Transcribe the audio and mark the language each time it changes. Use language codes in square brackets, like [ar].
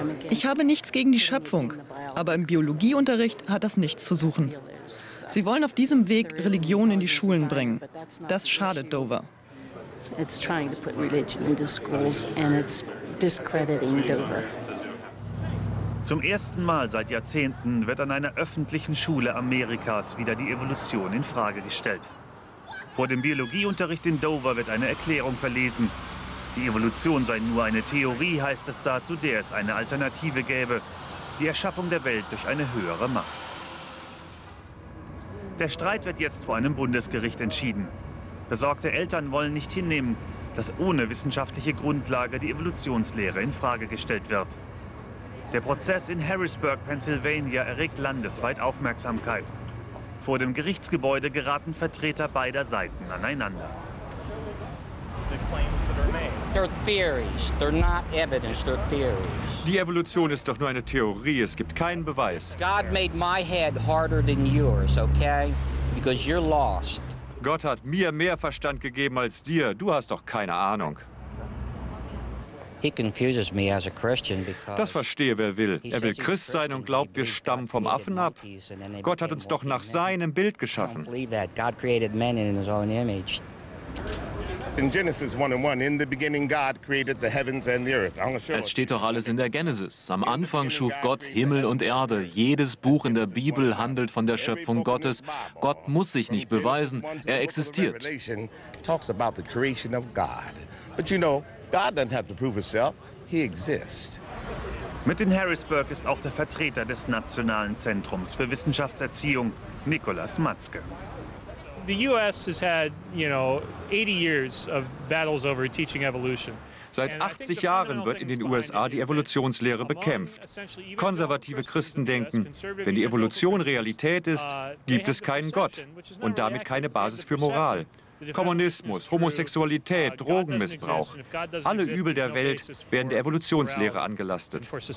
[de] Ich habe nichts gegen die Schöpfung, aber im Biologieunterricht hat das nichts zu suchen. Sie wollen auf diesem Weg Religion in die Schulen bringen. Das schadet Dover. [en] It's trying to put religion into schools and it's discrediting Dover. [de] Zum ersten Mal seit Jahrzehnten wird an einer öffentlichen Schule Amerikas wieder die Evolution in Frage gestellt. Vor dem Biologieunterricht in Dover wird eine Erklärung verlesen. Die Evolution sei nur eine Theorie, heißt es da, zu der es eine Alternative gäbe. Die Erschaffung der Welt durch eine höhere Macht. Der Streit wird jetzt vor einem Bundesgericht entschieden. Besorgte Eltern wollen nicht hinnehmen, dass ohne wissenschaftliche Grundlage die Evolutionslehre in Frage gestellt wird. Der Prozess in Harrisburg, Pennsylvania, erregt landesweit Aufmerksamkeit. Vor dem Gerichtsgebäude geraten Vertreter beider Seiten aneinander. Die Evolution ist doch nur eine Theorie, es gibt keinen Beweis. [en] God made my head harder than yours, okay? Because you're lost. [de] Gott hat mir mehr Verstand gegeben als dir, du hast doch keine Ahnung. [en] He confuses me as a Christian because [de] das verstehe, wer will. Er will Christ sein und glaubt, wir stammen vom Affen ab. Gott hat uns doch nach seinem Bild geschaffen. [en] In Genesis 1:1, in the beginning God created the heavens and the earth. [de] Es steht doch alles in der Genesis. Am Anfang schuf Gott Himmel und Erde. Jedes Buch in der Bibel handelt von der Schöpfung Gottes. Gott muss sich nicht beweisen, er existiert. [en] Talks about the creation of God. But you know, God doesn't have to prove himself, he exists. [de] Mit in Harrisburg ist auch der Vertreter des Nationalen Zentrums für Wissenschaftserziehung, Nicolas Matzke. [en] The US has had, you know, 80 years of battles over teaching evolution. [de] Seit 80 Jahren wird in den USA die Evolutionslehre bekämpft. Konservative Christen denken, wenn die Evolution Realität ist, gibt es keinen Gott und damit keine Basis für Moral. Kommunismus, Homosexualität, Drogenmissbrauch, alle Übel der Welt werden der Evolutionslehre angelastet.